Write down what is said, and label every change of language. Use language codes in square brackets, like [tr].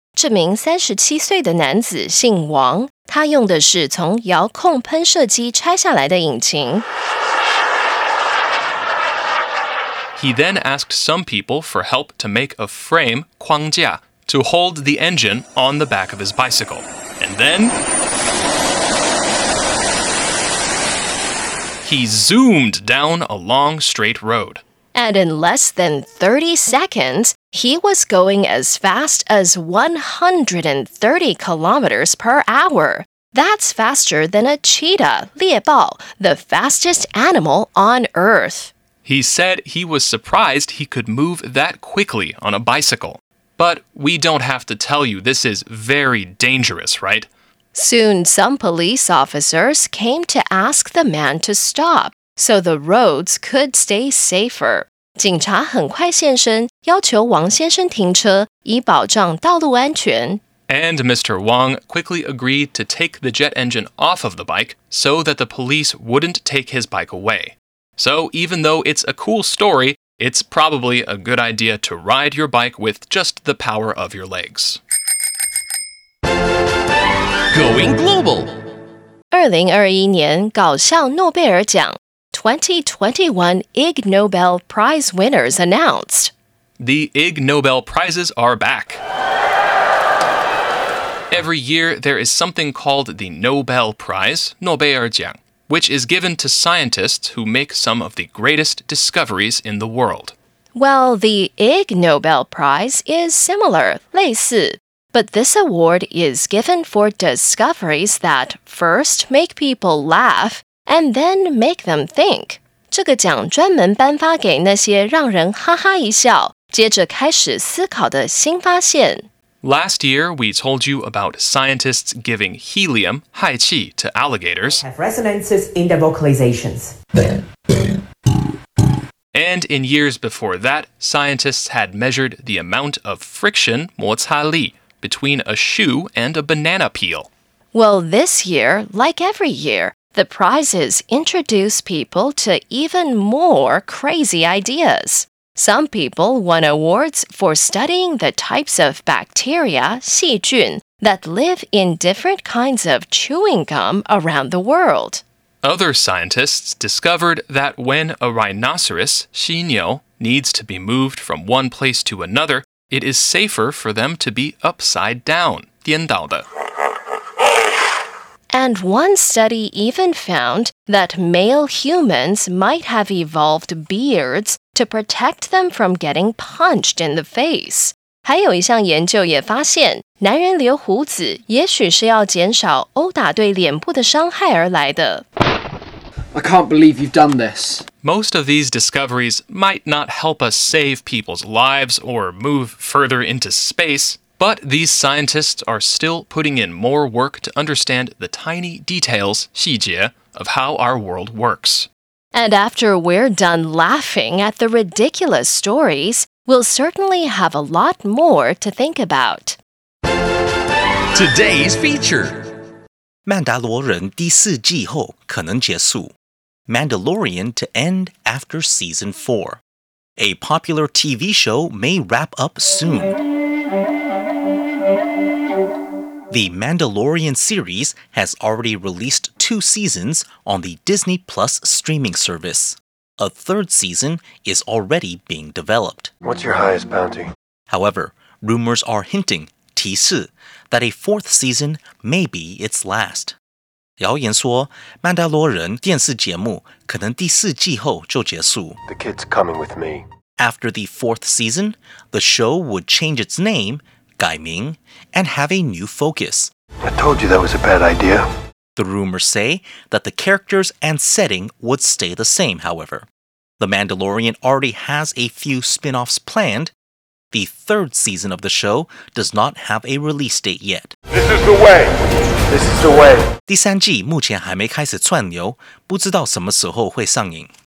[zh] 这名37岁的男子姓王，他用的是从遥控喷射机拆下来的引擎。 [en] He then asked some people for help to make a frame, 框架, to hold the engine on the back of his bicycle. And then... He zoomed down a long straight road. And in less than 30 seconds, he was going as fast as 130 kilometers per hour. That's faster than a cheetah, 猎豹, the fastest animal on Earth. He said he was surprised he could move that quickly on a bicycle. But we don't have to tell you this is very dangerous, right? Soon, some police officers came to ask the man to stop, so the roads could stay safer. [zh] 警察很快现身，要求王先生停车，以保障道路安全。 [en] And Mr. Wang quickly agreed to take the jet engine off of the bike so that the police wouldn't take his bike away. So, even though it's a cool story, it's probably a good idea to ride your bike with just the power of your legs. Going global. [zh] 2021年搞笑诺贝尔奖 [en] 2021 Ig Nobel Prize winners announced. The Ig Nobel Prizes are back. Every year, there is something called the Nobel Prize, 诺贝尔奖, which is given to scientists who make some of the greatest discoveries in the world. Well, the Ig Nobel Prize is similar, 类似。 But this award is given for discoveries that first make people laugh and then make them think. [zh] 这个奖专门颁发给那些让人哈哈一笑，接着开始思考的新发现。 [en] Last year, we told you about scientists giving helium, 氦气, to alligators. Have resonances in their vocalizations. And in years before that, scientists had measured the amount of friction, 摩擦力,between a shoe and a banana peel. Well, this year, like every year, the prizes introduce people to even more crazy ideas. Some people won awards for studying the types of bacteria, 细菌, that live in different kinds of chewing gum around the world. Other scientists discovered that when a rhinoceros, 犀牛, needs to be moved from one place to another,It is safer for them to be upside down, 颠倒的。 And one study even found that male humans might have evolved beards to protect them from getting punched in the face. [zh] 还有一项研究也发现，男人留胡子也许是要减少殴打对脸部的伤害而来的。 [en] I can't believe you've done this. Most of these discoveries might not help us save people's lives or move further into space, but these scientists are still putting in more work to understand the tiny details, 细节, of how our world works. And after we're done laughing at the ridiculous stories, we'll certainly have a lot more to think about. Today's feature. [zh] 曼达罗人第四季后可能结束。 [en] Mandalorian to end after season 4. A popular TV show may wrap up soon. The Mandalorian series has already released 2 seasons on the Disney Plus streaming service. A 3rd season is already being developed. What's your highest bounty? However, rumors are hinting, 提示, that a 4th season may be its last. [zh] 谣言说, 曼达洛人电视节目可能第四季后就结束. [en] The kid's coming with me. After the 4th season, the show would change its name, 改名, and have a new focus. I told you that was a bad idea. The rumors say that the characters and setting would stay the same, however. The Mandalorian already has a few spin-offs planned. The 3rd season of the show does not have a release date yet. This is the way! This is the way! [zh] 第三季目前还没开始串流, 不知道什么时候会上映.